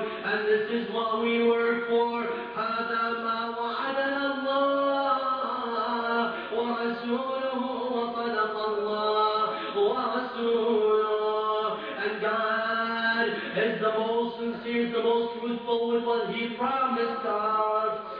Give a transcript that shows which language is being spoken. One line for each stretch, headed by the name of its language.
English: And this is what we work for.
Arabic: هذا ما وعدنا الله ورسوله وصدق الله ورسوله.
English: And God is the most sincere, the most truthful with what He promised us.